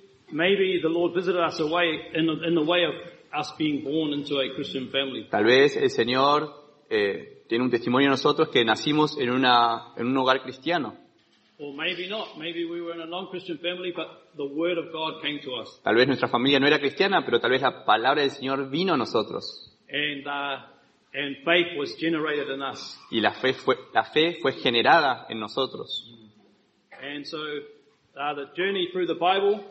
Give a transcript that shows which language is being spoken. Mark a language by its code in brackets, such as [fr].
[en] Maybe the Lord visited us away in the way of us being born into a Christian family. [es] Tal vez el Señor tiene un testimonio en nosotros que nacimos en un hogar cristiano. [en] Or maybe not. Maybe we were in a non-Christian family, but the Word of God came to us. [es] Tal vez nuestra familia no era cristiana, pero tal vez la palabra del Señor vino a nosotros. [en] And faith was generated in us. [es] Y la fe fue generada en nosotros. [en] And so the journey through the Bible.